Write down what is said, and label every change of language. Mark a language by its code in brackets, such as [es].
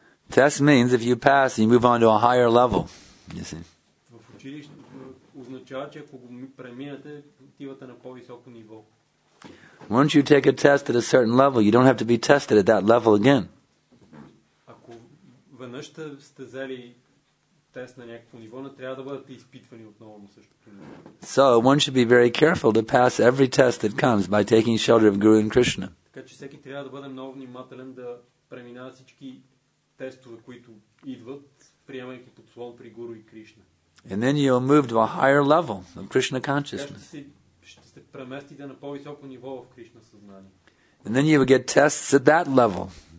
[en] Test means if you pass, you move on to a higher level. You see. [bg] В училище означава, че ако го преминете, отивате на по-високо ниво. [en] Once you take a test at a certain level, you don't have to be tested at that level again. [bg] Ако веднъж сте взели тест на някакво ниво, не трябва да бъдете изпитвани отново на същото ниво. [en] So one should be very careful to pass every test that comes by taking shelter of Guru and Krishna. [bg] Така че всеки трябва да бъде много внимателен да преминава всички тестове, които идват, приемайки под слон при Гуру и Кришна. [en] And then you'll move to a higher level of Krishna consciousness. [bg] Ще се преместите на по-високо ниво в Кришна съзнание. [en] And then you will get tests at that level.